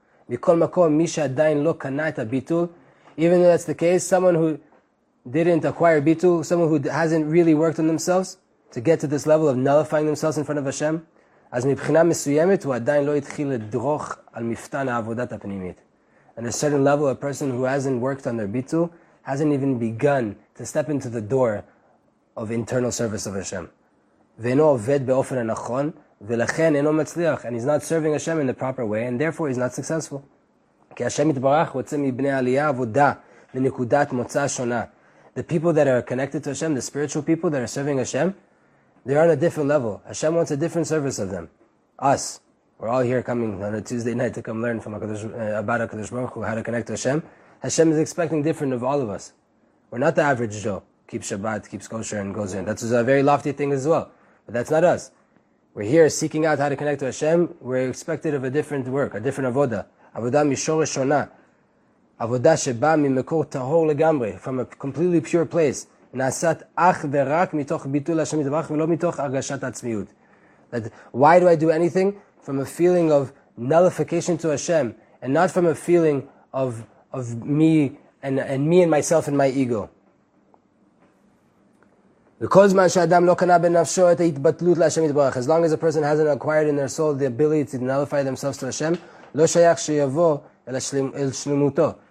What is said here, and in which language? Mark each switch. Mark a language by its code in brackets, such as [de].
[he] Mikol makom, mi she'adayin lo kana et ha'bitul, [en] even though that's the case, someone who didn't acquire bitul, someone who hasn't really worked on themselves to get to this level of nullifying themselves in front of Hashem, [he] אז מבחינה מסוימת הוא עדיין לא התחיל לדרוך על מפתן העבודת הפנימית. [en] At a certain level, a person who hasn't worked on their bitul hasn't even begun to step into the door of internal service of Hashem. [he] ואינו עובד באופן הנכון, ולכן אינו מצליח, [en] and he's not serving Hashem in the proper way, and therefore he's not successful. [he] כי השם יתברך רוצה מבני עלייה עבודה לנקודת מוצא שונה. [en] The people that are connected to Hashem, the spiritual people that are serving Hashem, they're on a different level. Hashem wants a different service of them. Us, we're all here coming on a Tuesday night to come learn from about HaKadosh Baruch Hu, how to connect to Hashem. Hashem is expecting different of all of us. We're not the average Joe, keeps Shabbat, keeps kosher, and goes in. That's a very lofty thing as well. But that's not us. We're here seeking out how to connect to Hashem. We're expected of a different work, a different avodah. [he] Avodah mishore shona. Avodah sheba mimekor tahor legamre, [en] from a completely pure place. [he] נעשת אך ורק מתוך ביטול השם יתברך ולא מתוך הרגשת עצמיות. [en] That why do I do anything? From a feeling of nullification to Hashem, and not from a feeling of me and me and myself and my ego. [he] וכל זמן שאדם לא קנה בנפשו את ההתבטלות להשם יתברך, [en] as long as a person hasn't acquired in their soul the ability to nullify themselves to Hashem, [he] לא שייך שיבוא אל שלמותו.